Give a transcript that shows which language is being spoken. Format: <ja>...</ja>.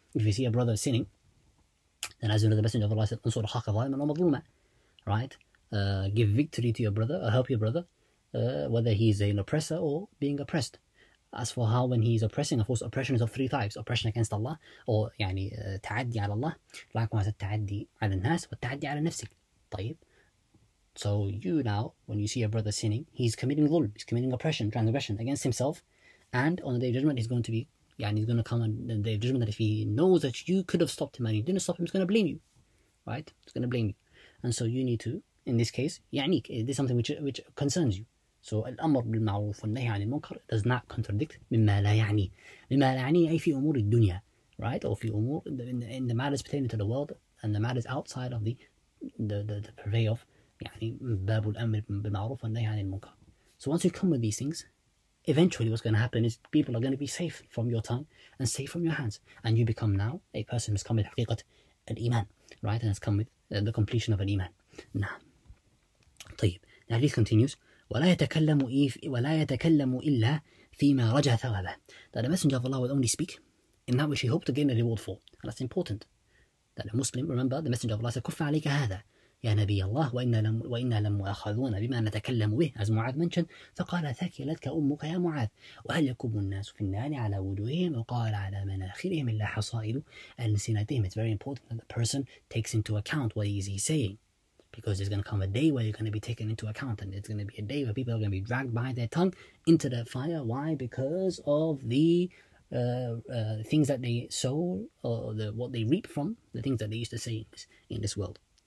<en>If you see a brother sinning, then as you know, the Messenger of Allah said,</en> <ar>انصر حق ظالما ومظلوما.</ar> <en>Right? Give victory to your brother or help your brother. Whether he is an oppressor or being oppressed. As for how when he is oppressing, of course, oppression is of three types. Oppression against Allah, or</en> <ar>يعني تعدي على الله. Likewise, التعدي على الناس والتعدي على نفسك. طيب.</ar> <en>So you now, when you see your brother sinning, he's committing ظلم, he's committing oppression, transgression against himself. And on the day of judgment, he's going to be, يعني he's going to come on the day of judgment that if he knows that you could have stopped him and he didn't stop him, he's going to blame you. Right? He's going to blame you. And so you need to, in this case, يعنيك, this is something which concerns you.</en> <ar>So الأمر بالمعروف والنهي عن المنكر</ar> <en>does not contradict</en> <ar>مما لا يعني. مما لا يعني أي في أمور الدنيا, right? Or في أمور</ar> <en>in the matters pertaining to the world, and the matters outside of the purvey of</en> <ar>يعني باب الأمر بالمعروف والنهي عن المنكر.</ar> <en>So once you come with these things, eventually what's going to happen is people are going to be safe from your tongue and safe from your hands, and you become now a person who's come with</en> <ar>حقيقة الإيمان,</ar> <en>right, and has come with the completion of الإيمان.</en> <ar>نعم. طيب.</ar> <en>The hadith continues.</en> <ar>ولا يتكلم إلا فيما رجع ثوابه.</ar> <en>That the Messenger of Allah will only speak in that which he hoped to gain a reward for. And that's important. That a Muslim, remember, the Messenger of Allah said,</en> <ar>كف عليك هذا يا نبي الله وإنا لم أخذون بما نتكلم به.</ar> <en>As Mu'adh mentioned,</en> <ar>فقال ثكلتك أمك يا معاذ وهل يكب الناس في النار على وجوههم وقال على مناخرهم إلا حصائد ألسنتهم.</ar> <en>It's very important that the person takes into account what is he saying, because there's going to come a day where you're going to be taken into account, and it's going to be a day where people are going to be dragged by their tongue into the fire. Why? Because of the things that they sow, or what they reap from the things that they used to say in this world.</en>